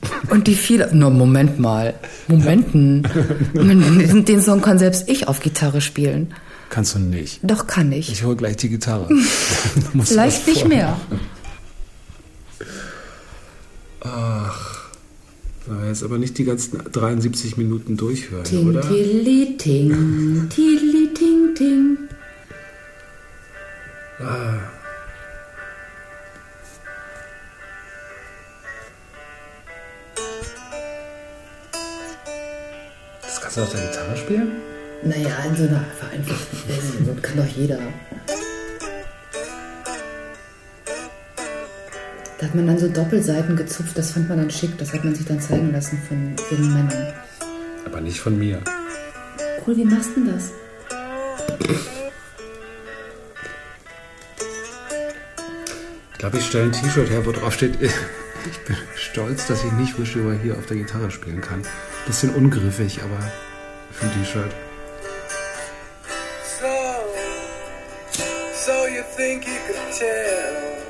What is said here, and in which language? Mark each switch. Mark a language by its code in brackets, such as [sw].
[de] Und die viele. Na, Moment mal. Momenten. Den Song kann selbst ich auf Gitarre spielen. Kannst du nicht. Doch, kann ich. Ich hole gleich die Gitarre. Vielleicht nicht mehr. Ach, wenn wir jetzt aber nicht die ganzen 73 Minuten durchhören, ting, oder? Tilli-ting, tilli-ting-ting. Ah. Das kannst du auf der Gitarre spielen? Naja, in so einer vereinfachten Version kann doch jeder. Da hat man dann so Doppelseiten gezupft, das fand man dann schick, das hat man sich dann zeigen lassen von den Männern. Aber nicht von mir. Cool, wie machst du denn das? Ich glaube, ich stelle ein T-Shirt her, wo drauf steht, ich bin stolz, dass ich nicht Wish You Were Here auf der Gitarre spielen kann. Bisschen ungriffig, aber für ein T-Shirt. [en] So you think you could tell.